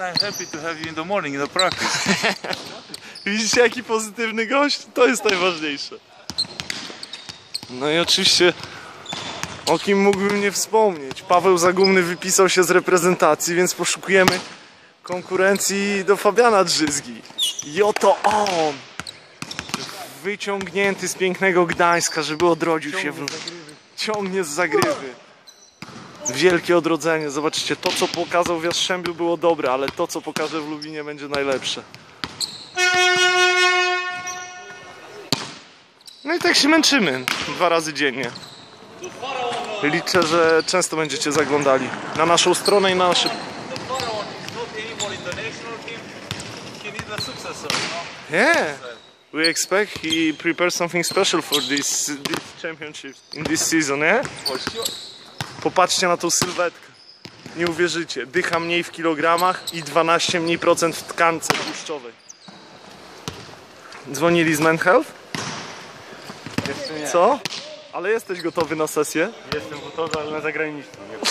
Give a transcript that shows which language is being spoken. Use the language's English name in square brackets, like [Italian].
[English] I'm happy to have you in the morning in the practice. [Polish] Widzicie, jaki pozytywny gość? To jest najważniejsze. No i oczywiście, o kim mógłbym nie wspomnieć? Paweł Zagumny wypisał się z reprezentacji, więc poszukujemy konkurencji do Fabiana Drzyzgi. I oto on! Wyciągnięty z pięknego Gdańska, żeby odrodził się. Ciągnie z zagrywy. Wielkie odrodzenie. Zobaczycie, to co pokazał w Jastrzębiu było dobre, ale to co pokaże w Lubinie będzie najlepsze. No i tak się męczymy. Dwa razy dziennie. Liczę, że często będziecie zaglądali na naszą stronę i na nasze... [English] Yeah, we expect he prepares something special for this championship in this season, nie? Yeah? [Polish] Popatrzcie na tą sylwetkę. Nie uwierzycie. Dycha mniej w kilogramach i 12 mniej procent w tkance tłuszczowej. Dzwonili z Men Health? Jeszcze nie. Co? Ale jesteś gotowy na sesję? Jestem gotowy, ale na zagraniczną.